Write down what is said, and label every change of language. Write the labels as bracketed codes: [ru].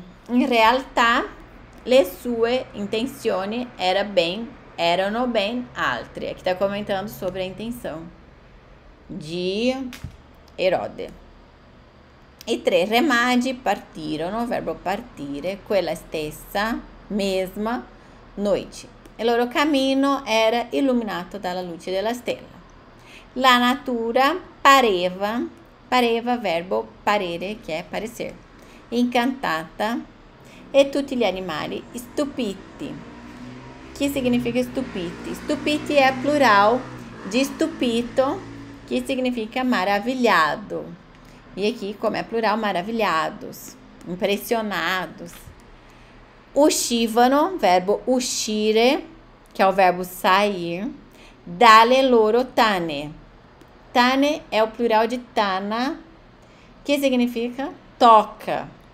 [it] In realtà le sue intenzioni erano ben altre. [pt] Aqui tá comentando sobre a intenção di Erode. [it] E tre remagi partirono, verbo partire, quella stessa [pt] mesma noite. [it] E il loro cammino era illuminato dalla luce della stella. La natura pareva, verbo parere, che è parecer, incantata, e tutti gli animali stupiti. Che significa stupiti? Stupiti è plural di stupito, che significa maravigliato. [pt] E aqui, como é plural, maravilhados, impressionados. [it] Uscivano, verbo uscire, que é o verbo sair, dalle loro tane. [pt] Tane é o plural de tana, que significa toca.